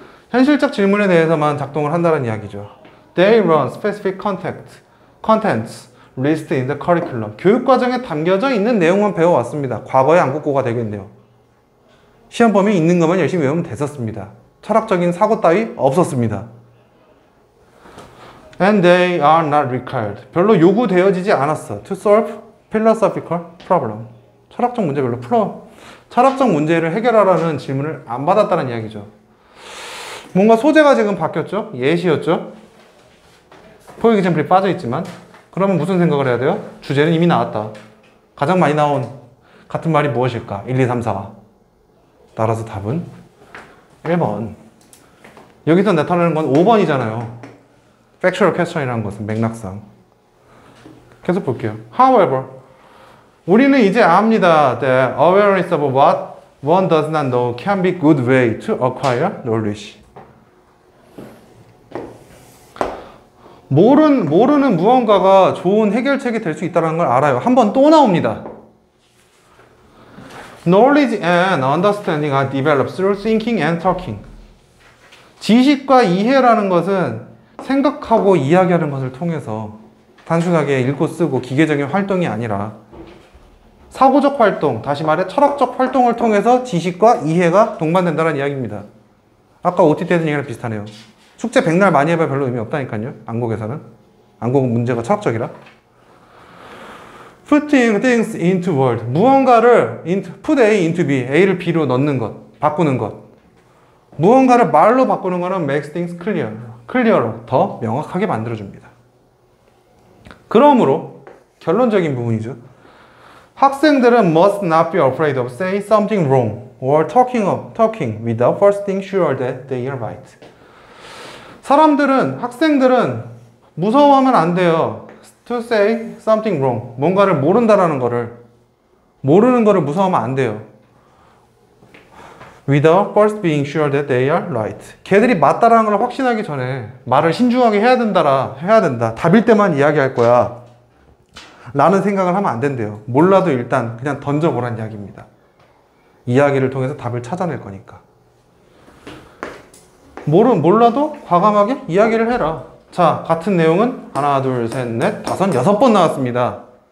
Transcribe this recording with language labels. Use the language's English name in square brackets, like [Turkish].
[Korean] 현실적 질문에 대해서만 작동을 한다는 이야기죠. [English] They run specific contents listed in the curriculum. [Korean] 교육 과정에 담겨져 있는 내용만 배워왔습니다. 과거의 암구고가 되겠네요. 시험범위 있는 것만 열심히 외우면 됐었습니다. 철학적인 사고 따위 없었습니다. [English] And they are not required. [Korean] 별로 요구되어지지 않았어. [English] To solve philosophical problem. [Korean] 철학적 문제 별로 풀어. 철학적 문제를 해결하라는 질문을 안 받았다는 이야기죠. 뭔가 소재가 지금 바뀌었죠? 예시였죠? 포유 기점플이 빠져있지만. 그러면 무슨 생각을 해야 돼요? 주제는 이미 나왔다. 가장 많이 나온 같은 말이 무엇일까? 1, 2, 3, 4. 따라서 답은 1번. 여기서 나타나는 건 5번이잖아요. Factual question이라는 것은 맥락상. 계속 볼게요. However, 우리는 이제 압니다. [English] That awareness of what one does not know can be a good way to acquire knowledge. [Korean] 모르는 무언가가 좋은 해결책이 될 수 있다는 걸 알아요. 한 번 또 나옵니다. [English] Knowledge and understanding are developed through thinking and talking. [Korean] 지식과 이해라는 것은 생각하고 이야기하는 것을 통해서 단순하게 읽고 쓰고 기계적인 활동이 아니라 사고적 활동, 다시 말해 철학적 활동을 통해서 지식과 이해가 동반된다는 이야기입니다. 아까 OT 때 했던 얘기랑 비슷하네요. 숙제 100날 많이 해봐야 별로 의미 없다니까요. 안국에서는. 안국은 문제가 철학적이라. [English] Putting things into world. Put A into B. [Korean] A를 B로 넣는 것. 바꾸는 것. 무언가를 말로 바꾸는 것은 [English] makes things clear. [Korean] 클리어로 더 명확하게 만들어줍니다. 그러므로 결론적인 부분이죠. [English] 학생들은 must not be afraid of saying something wrong or talking without first being sure that they are right. [Korean] 학생들은 무서워하면 안 돼요. [English] To say something wrong. [Korean] 뭔가를 모른다라는 거를, 모르는 거를 무서워하면 안 돼요. [English] Without first being sure that they are right. [Korean] 걔들이 맞다라는 걸 확신하기 전에 말을 신중하게 해야 된다. 답일 때만 이야기할 거야. 라는 생각을 하면 안 된대요. 몰라도 일단 그냥 던져보란 이야기입니다. 이야기를 통해서 답을 찾아낼 거니까. 몰라도 과감하게 이야기를 해라. 자, 같은 내용은 하나, 둘, 셋, 넷, 다섯, 여섯 번 나왔습니다.